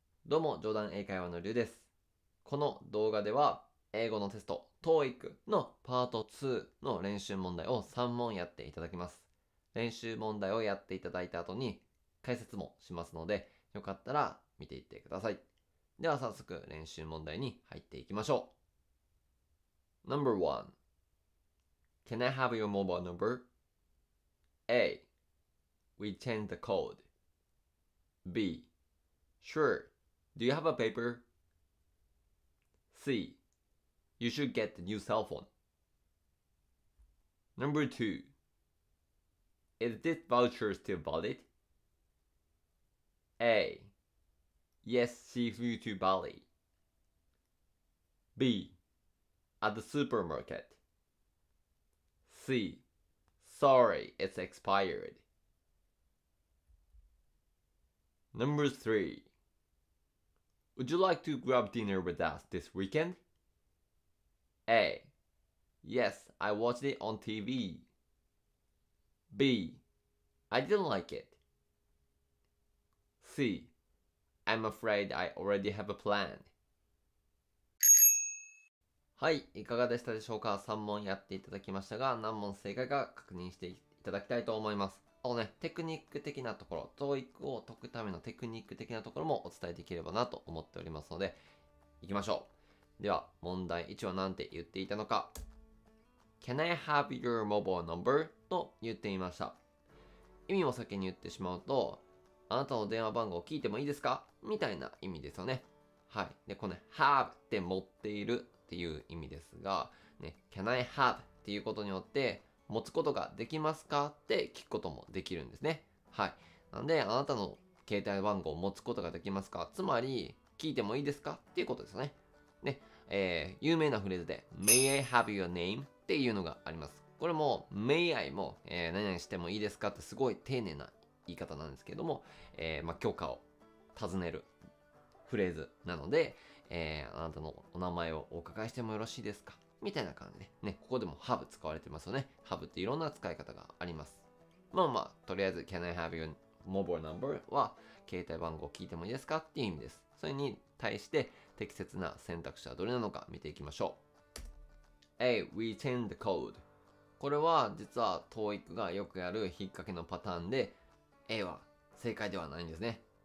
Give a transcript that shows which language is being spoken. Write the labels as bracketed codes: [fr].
[ja] どうも、冗談英会話のりゅうです。この動画では英語のテスト TOEIC のパート2の練習問題を3問やっていただきます。練習問題をやっていただいた後に解説もしますので、よかったら見ていってください。では早速練習問題に入っていきましょう。 [en] Number 1. Can I have your mobile number? A. We change the code. B. Sure. Do you have a paper? C. You should get the new cell phone. Number 2. Is this voucher still valid? A. Yes, she flew to Bali. B. At the supermarket. C. Sorry, it's expired. Number 3. Would you like to grab dinner with us this weekend? A. Yes, I watched it on TV. B. I didn't like it. C. I'm afraid I already have a plan. [ja] はい、いかがでしたでしょうか ?3 問やっていただきましたが、何問正解か確認していただきたいと思います。あのね、テクニック的なところ、TOEIC を解くためのテクニック的なところもお伝えできればなと思っておりますので、行きましょう。では、問題1は何て言っていたのか。 [en] Can I have your mobile number? [ja] と言っていました。意味を先に言ってしまうと、あなたの電話番号を聞いてもいいですか? みたいな意味ですよね。はい。で、このね、have って持っているっていう意味ですが、ね、 [en] Can I have? [ja] っていうことによって、持つことができますかって聞くこともできるんですね。はい。なんで、あなたの携帯番号を持つことができますか、つまり、聞いてもいいですかっていうことですよね。ね、有名なフレーズで、 [en] May I have your name? [ja] っていうのがあります。これも、 [en] May I [ja] も、何々してもいいですかってすごい丁寧な言い方なんですけども、まあ、許可を尋ねるフレーズなので、あなたのお名前をお伺いしてもよろしいですか? みたいな感じでね。ね、ここでもハブ使われてますよね。ハブっていろんな使い方があります。まあまあ、とりあえず、 [en] Can I have your mobile number? [ja] は、携帯番号を聞いてもいいですかっていう意味です。それに対して、適切な選択肢はどれなのか見ていきましょう。 [en] A. We change the code. [ja] これは、実は、TOEIC がよくやる引っ掛けのパターンで、A は正解ではないんですね。